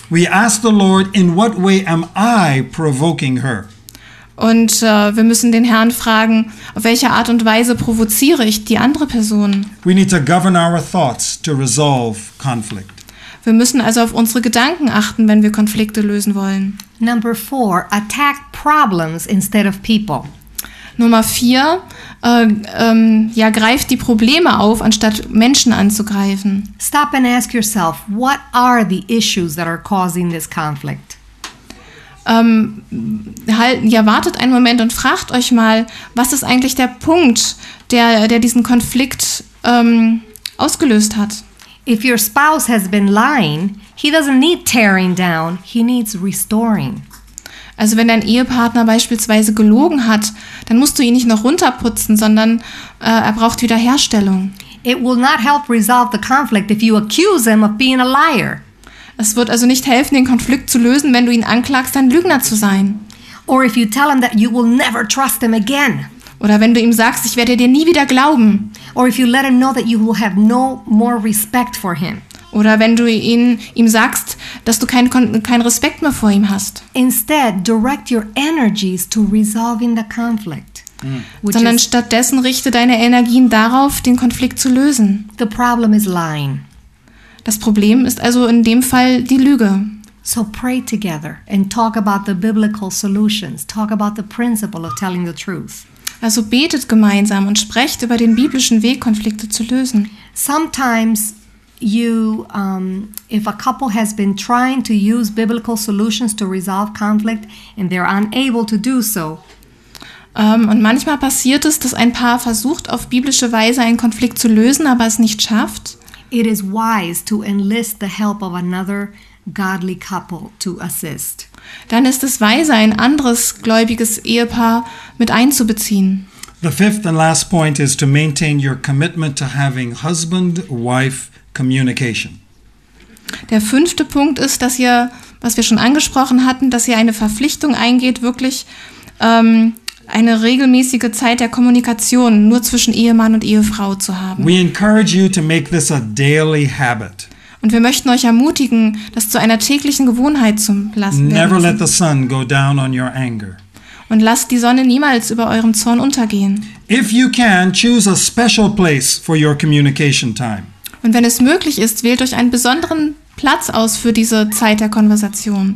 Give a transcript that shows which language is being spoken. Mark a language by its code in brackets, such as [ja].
[en] We ask the Lord, in what way am I provoking her? [de] Und wir müssen den Herrn fragen, auf welche Art und Weise provoziere ich die andere Person? [en] We need to govern our thoughts to resolve conflict. [de] Wir müssen also auf unsere Gedanken achten, wenn wir Konflikte lösen wollen. [en] Number 4, attack problems instead of people. [de] Nummer 4, greift die Probleme auf, anstatt Menschen anzugreifen. [en] Stop and ask yourself, what are the issues that are causing this conflict? [de] Wartet einen Moment und fragt euch mal, was ist eigentlich der Punkt, der diesen Konflikt ausgelöst hat? [en] If your spouse has been lying, he doesn't need tearing down, he needs restoring. [de] Also wenn dein Ehepartner beispielsweise gelogen hat, dann musst du ihn nicht noch runterputzen, sondern er braucht Wiederherstellung. [en] It will not help resolve the conflict if you accuse him of being a liar. [de] Es wird also nicht helfen, den Konflikt zu lösen, wenn du ihn anklagst, ein Lügner zu sein. [en] Or if you tell him that you will never trust him again. [de] Oder wenn du ihm sagst, ich werde dir nie wieder glauben. [en] Or if you let him know that you will have no more respect for him. [de] Oder wenn du ihm sagst, dass du kein Respekt mehr vor ihm hast. [en] Instead, direct your energies to resolving the conflict. [de] sondern stattdessen richte deine Energien darauf, den Konflikt zu lösen. [en] The problem is lying. [de] Das Problem ist also in dem Fall die Lüge. [en] So pray together and talk about the biblical solutions. Talk about the principle of telling the truth. [de] Also betet gemeinsam und sprecht über den biblischen Weg, Konflikte zu lösen. [en] Sometimes you, if a couple has been trying to use biblical solutions to resolve conflict and they're unable to do so. [de] Und manchmal passiert es, dass ein Paar versucht, auf biblische Weise einen Konflikt zu lösen, aber es nicht schafft. [en] It is wise to enlist the help of another godly couple to assist. [de] Dann ist es weise, ein anderes gläubiges Ehepaar mit einzubeziehen. [en] The fifth and last point is to maintain your commitment to having husband-wife communication. [de] Der fünfte Punkt ist, dass ihr, was wir schon angesprochen hatten, dass ihr eine Verpflichtung eingeht, wirklich eine regelmäßige Zeit der Kommunikation nur zwischen Ehemann und Ehefrau zu haben. [en] We encourage you to make this a daily habit. [de] Und wir möchten euch ermutigen, das zu einer täglichen Gewohnheit zu lassen. [en] Never let the sun go down on your anger. [de] Und lasst die Sonne niemals über eurem Zorn untergehen. [en] If you can, choose a special place for your communication time. [de] Und wenn es möglich ist, wählt euch einen besonderen Platz aus für diese Zeit der Konversation.